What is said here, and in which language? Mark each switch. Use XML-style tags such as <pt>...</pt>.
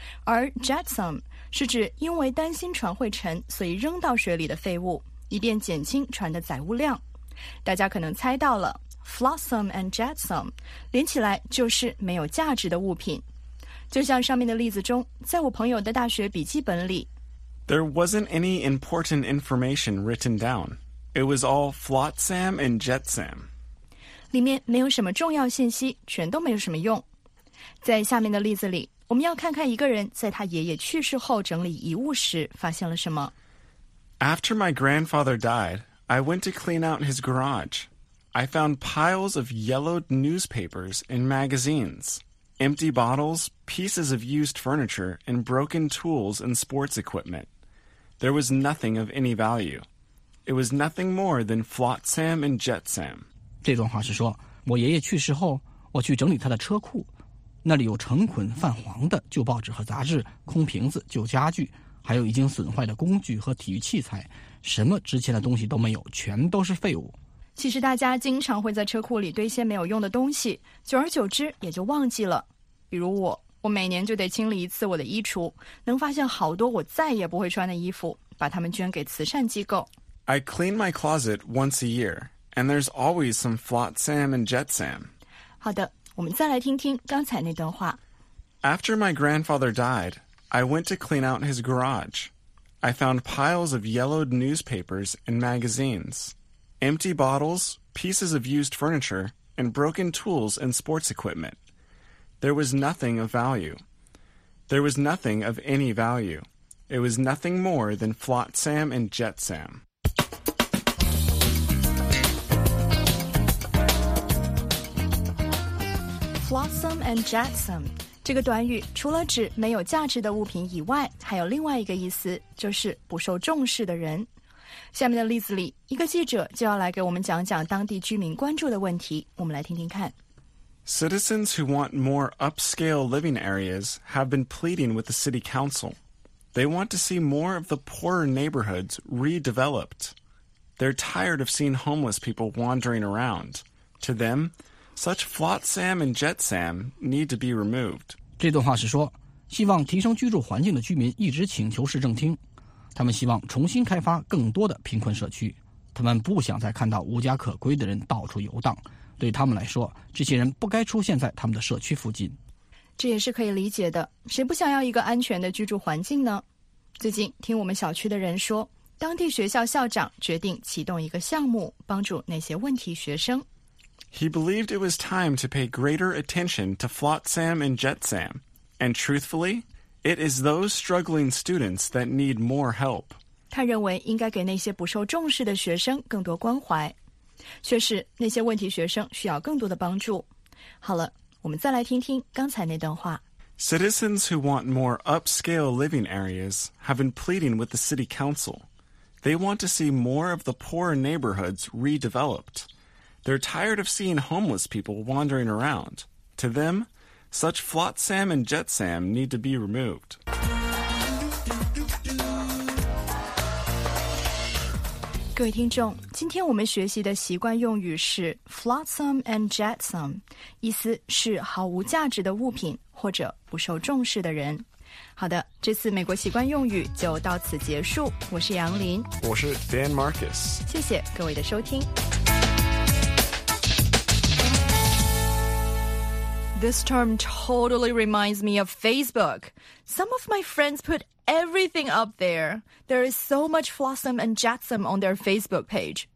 <zh>而 jetsam 是指因为担心船会沉所以扔到水里的废物，以便减轻船的载物量。大家可能猜到了。 Flotsam and jetsam 连起来就是没有价值的物品。就像上面的例子中，在我朋友的大学笔记本里</zh> <en>There wasn't any important information written down. It was all flotsam and jetsam.</en> <zh>里面没有什么重要信息，全都没有什么用。在下面的例子里，我们要看看一个人在他爷爷去世后整理遗物时发现了什么。</zh> <en>After my grandfather died, I went to clean out his garage. I found piles of yellowed newspapers and magazines, empty bottles, pieces of used furniture, and broken tools and sports equipment. There was nothing of any value. It was nothing more than flotsam and jetsam.</en> <zh>这段话是说，我爷爷去世后，我去整理他的车库，那里有成捆泛黄的旧报纸和杂志、空瓶子、旧家具，还有已经损坏的工具和体育器材，什么值钱的东西都没有，全都是废物。其实大家经常会在车库里堆些没有用的东西，久而久之也就忘记了。比如我，我每年就得清理一次我的衣橱，能发现好多我再也不会穿的衣服，把它们捐给慈善机构。</zh> <en>I clean my closet once a year, and there's always some flotsam and jetsam.</en> <zh>好的，我们再来听听刚才那段话。</zh> <en>After my grandfather died, I went to clean out his garage. I found piles of yellowed newspapers and magazines, empty bottles, pieces of used furniture, and broken tools and sports equipment. There was nothing of value. There was nothing of any value. It was nothing more than flotsam and jetsam. Flotsam and jetsam.</en> <zh>这个短语除了指没有价值的物品以外，还有另外一个意思，就是不受重视的人。下面的例子里，一个记者就要来给我们讲讲当地居民关注的问题，我们来听听看。</zh> <en>Citizens who want more upscale living areas have been pleading with the city council. They want to see more of the poorer neighborhoods redeveloped. They're tired of seeing homeless people wandering around. To them,Such flotsam and jetsam need to be removed.</en> <zh>这段话是说，希望提升居住环境的居民一直请求市政厅，他们希望重新开发更多的贫困社区。他们不想再看到无家可归的人到处游荡。对他们来说，这些人不该出现在他们的社区附近。这也是可以理解的，谁不想要一个安全的居住环境呢？最近听我们小区的人说，当地学校校长决定启动一个项目，帮助那些问题学生。</zh> <en>He believed it was time to pay greater attention to flotsam and jetsam. And truthfully, it is those struggling students that need more help.</en> <zh>他认为应该给那些不受重视的学生更多关怀。确实，那些问题学生需要更多的帮助。好了，我们再来听听刚才那段话。</zh> <en>Citizens who want more upscale living areas have been pleading with the city council. They want to see more of the poorer neighborhoods redeveloped. They're tired of seeing homeless people wandering around. To them, such flotsam and jetsam need to be removed.</en> <zh>Good 听众，今天我们学习的习惯用语是 flotsam and jetsam, 意思是毫无价值的物品或者不受重视的人。好的，这次美国习惯用语就到此结束。我是杨林，我是 Dan Marcus。谢谢各位的收听。</zh> <en>This term totally reminds me of Facebook. Some of my friends put everything up there. There is so much flotsam and jetsam on their Facebook page.</en>